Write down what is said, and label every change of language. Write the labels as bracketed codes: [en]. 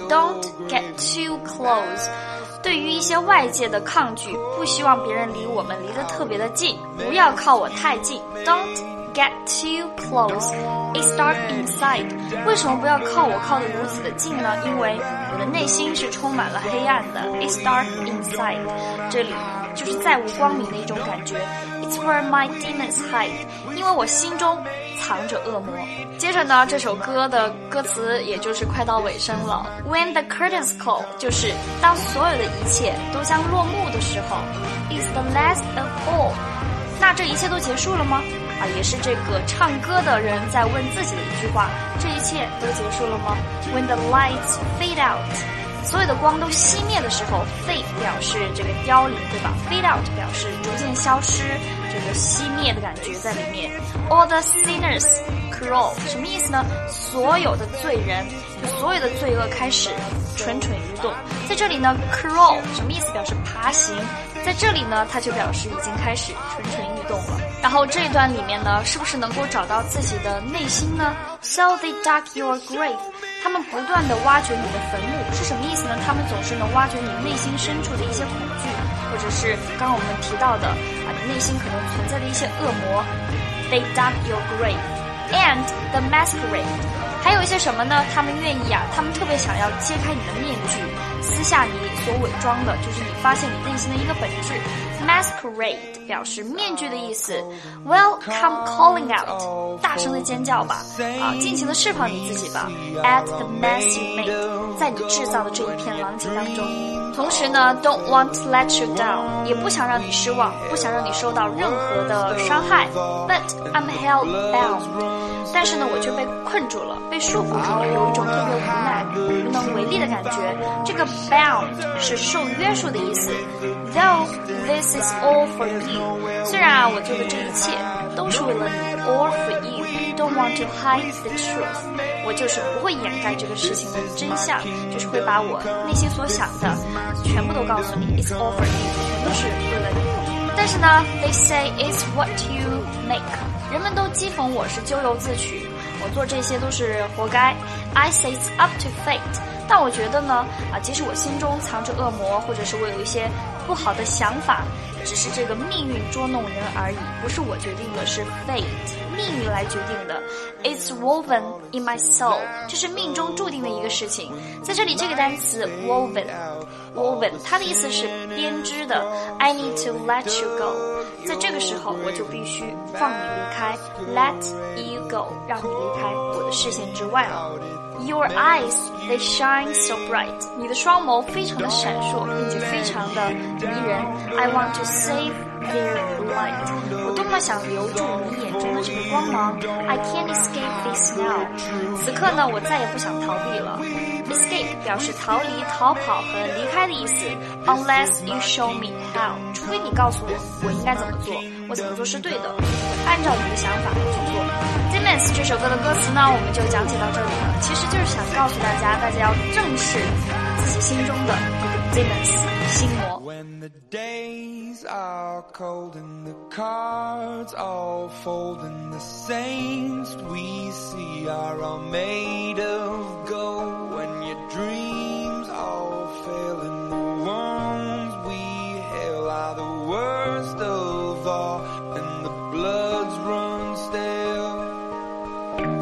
[en] Don't get too close， [zh] 对于一些外界的抗拒，不希望别人离我们离得特别的近，不要靠我太近。 [en] Don't get too close，It's dark inside， [zh] 为什么不要靠我靠得如此的近呢？因为我的内心是充满了黑暗的。 [en] It's dark inside， [zh] 这里就是再无光明的一种感觉。 [en] It's where my demons hide， [zh] 因为我心中藏着恶魔。接着呢这首歌的歌词也就是快到尾声了。 [en] When the curtains call， [zh] 就是当所有的一切都将落幕的时候。 [en] It's the last of all， [zh] 那这一切都结束了吗？也是这个唱歌的人在问自己的一句话，这一切都结束了吗？ [en] When the lights fade out， [zh] 所有的光都熄灭的时候， fade 表示这个凋零，对吧？ fade out 表示逐渐消失，这个熄灭的感觉在里面。 [en] all the sinners crawl [zh] 什么意思呢？所有的罪人，就所有的罪恶开始蠢蠢欲动。在这里呢， crawl 什么意思？表示爬行。在这里呢，它就表示已经开始蠢蠢欲动了。然后这一段里面呢，是不是能够找到自己的内心呢？ [en] Shall they dug your grave? [zh] 他们不断地挖掘你的坟墓，是什么意思呢？他们总是能挖掘你内心深处的一些恐惧，或者是刚刚我们提到的啊，你内心可能存在的一些恶魔。 [en] They dug your grave and the masquerade. [zh] 还有一些什么呢？他们愿意啊，他们特别想要揭开你的面具，撕下你所伪装的，就是你发现你内心的一个本质。 Masquerade 表示面具的意思。 [en] Well, come calling out, [zh] 大声的尖叫吧，啊，尽情的释放你自己吧。 [en] At the mess you made, [zh] 在你制造的这一片狼藉当中。同时呢， [en] Don't want to let you down, [zh] 也不想让你失望，不想让你受到任何的伤害。 [en] But I'm held bound, [zh] 但是呢我却被困住了，被束缚住了，有一种特别无奈无能为力的感觉。这个 bound 是受约束的意思。 [en] Though this is all for you, [zh] 虽然啊我做的这一切都是为了你。 [en] All for you, don't want to hide the truth, [zh] 我就是不会掩盖这个事情的真相，就是会把我内心所想的全部都告诉你。 [en] It's all for you, [zh] 全都是为了你。但是呢， [en] They say it's what you make, [zh] 人们都讥讽我是咎由自取，我做这些都是活该。 [en] I say it's up to fate, [zh] 但我觉得呢啊，即使我心中藏着恶魔，或者是我有一些不好的想法，只是这个命运捉弄人而已，不是我决定的，是 fate 命运来决定的。 [en] It's woven in my soul, [zh] 这是命中注定的一个事情。在这里这个单词 woven 它的意思是编织的。 [en] I need to let you go, [zh] 在这个时候我就必须放你离开。 [en] Let you go, [zh] 让你离开我的视线之外了。 [en] Your eyes, they shine so bright. [zh] 你的双眸非常的闪烁，并且非常的迷人。 [en] I want to save their light. [zh] 我多么想留住你眼中的这个光芒。 [en] I can't escape this now. [zh] 此刻呢，我再也不想逃避了。Escape 表示逃离、逃跑和离开的意思。 [en] Unless you show me how. [zh] 除非你告诉我，我应该怎么做，我怎么做是对的，按照你的想法去做。 Demons 这首歌的歌词呢，我们就讲解到这里了。其实就是想告诉大家，大家要正视自己心中的 Demons 心魔。 [en] When the days are cold and the cards all fold and the saints we see are all made of gold. When your dreams all fail and the wounds we heal are the worst of all and the bloods run stale.